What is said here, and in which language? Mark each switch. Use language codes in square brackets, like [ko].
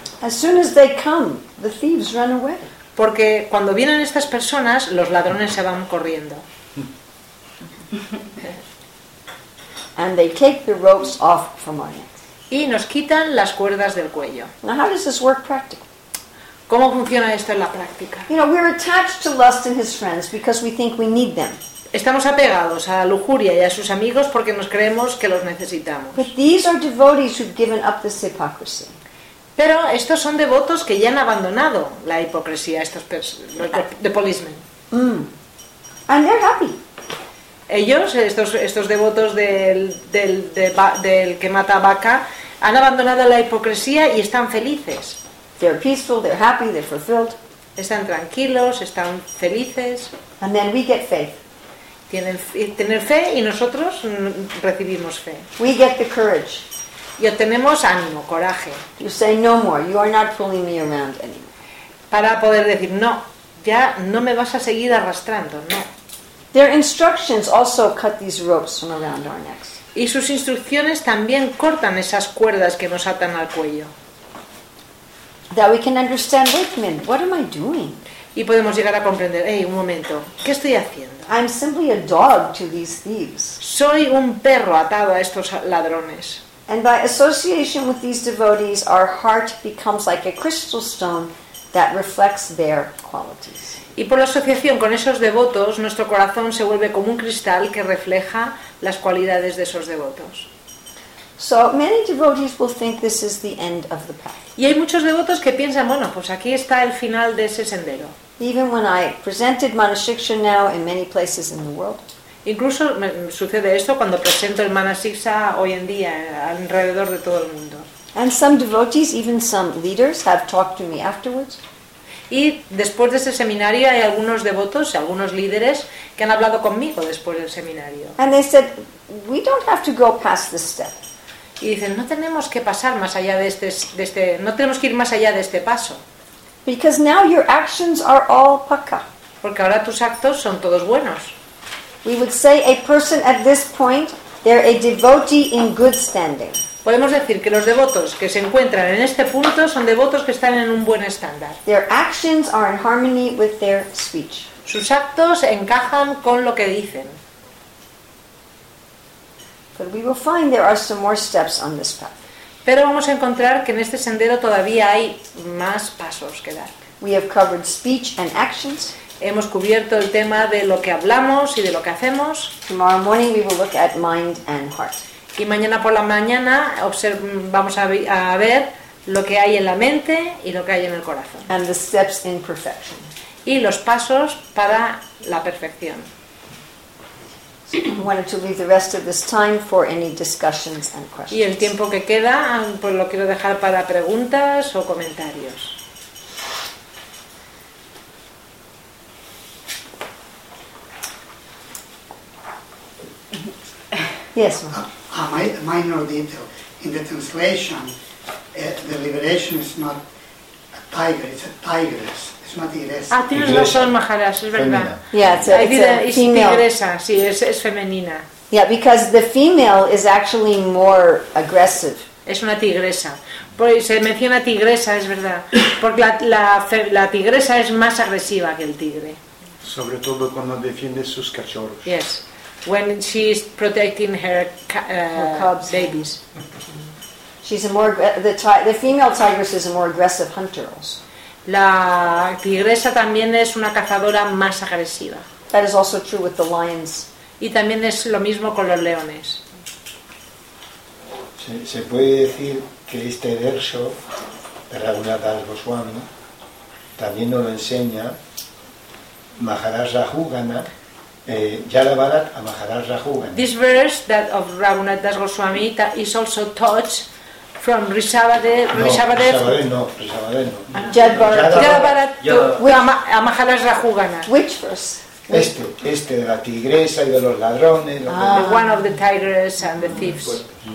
[en] As soon as they come, the thieves run away. [es] Porque cuando vienen estas personas, los ladrones se van corriendo. [en] And they take the ropes off from our necks. [es] Y nos quitan las cuerdas del cuello. [en] Now how does this work practically? [es] ¿Cómo funciona esto en la práctica? [en] You know, we're attached to lust and his friends because we think we need them. [es] Estamos apegados a la lujuria y a sus amigos porque nos creemos que los necesitamos. [en] But these are devotees who've given up this hypocrisy. [es] Pero estos son devotos que ya han abandonado la hipocresía, estos policemen. [en] And they're happy. [es] Ellos, estos devotos del que mata vaca, han abandonado la hipocresía y están felices. [en] They're peaceful, they're happy, they're fulfilled. [es] Están tranquilos, están felices. [en] And then we get faith. [es] Tienen fe y nosotros recibimos fe. [en] We get the courage. [es] Y obtenemos ánimo, coraje. [en] You say no more. You are not pulling me around anymore. [es] Para poder decir no, ya no me vas a seguir arrastrando, no. [en] Their instructions also cut these ropes from around our necks. [es] Y sus instrucciones también cortan esas cuerdas que nos atan al cuello. [en] That we can understand, wait a minute, what am I doing? [es] Y podemos llegar a comprender, hey, un momento, ¿qué estoy haciendo? [en] I'm simply a dog to these thieves. [es] Soy un perro atado a estos ladrones. [en] And by association with these devotees, our heart becomes like a crystal stone that reflects their qualities. [es] Y por la asociación con esos devotos, nuestro corazón se vuelve como un cristal que refleja las cualidades de esos devotos. [en] So many devotees will think this is the end of the path. [es] Y hay muchos devotos que piensan, bueno, pues aquí está el final de ese sendero. [en] Even when I presented Manasiksha now in many places in the world. [es] Incluso sucede esto cuando presento el Manasiksha hoy en día alrededor de todo el mundo. [en] And some devotees, even some leaders, have talked to me afterwards. [es] Y después de ese seminario hay algunos devotos, algunos líderes que han hablado conmigo después del seminario. [en] And they said, we don't have to go past this step. [es] Y dicen, no tenemos que pasar más allá no tenemos que ir más allá de este paso. [en] Because now your actions are all paka. [es] Porque ahora tus actos son todos buenos. [en] We would say a person at this point, they're a devotee in good standing. [es] Podemos decir que los devotos que se encuentran en este punto son devotos que están en un buen estándar. [en] Their actions are in harmony with their speech. [es] Sus actos encajan con lo que dicen. [en] But we will find there are some more steps on this path. [es] Pero vamos a encontrar que en este sendero todavía hay más pasos que dar. [en] We have covered speech and actions. [es] Hemos cubierto el tema de lo que hablamos y de lo que hacemos. [en] Tomorrow morning we will look at mind and heart. [es] Y mañana por la mañana vamos a ver lo que hay en la mente y lo que hay en el corazón. [en] And the steps in perfection. [es] Y los pasos para la perfección. Y el tiempo que queda pues lo quiero dejar para preguntas o comentarios. [en] Yes. A minor detail. In the translation, the liberation is not a tiger, it's a tigress. It's not tigress. [es] Ah, tienes razón, Maharaj, es verdad. [en] Yeah, it's a female. [es] Tigresa, sí, es femenina. [en] Yeah, because the female is actually more aggressive. [es] Es una tigresa. Pues se menciona tigresa, es verdad. Porque la tigresa es más agresiva que el tigre. Sobre todo cuando defiende sus cachorros. [en] Yes. When she's protecting her cubs, babies, she's a more the female tigress is a more aggressive hunter. Also. [es] La tigresa también es una cazadora más agresiva. [en] That is also true with the lions. [es] Y también es lo mismo con los leones. Se puede decir que este verso de Raghunatha Das Goswami también nos lo enseña Maharaj Raghunatha. [en] This verse that of Raghunatha Das Goswami is also taught from Maharaj Raghunatha. Which verse? [es] Este de la tigresa y de los ladrones. [en] The one of the tigers and the thieves.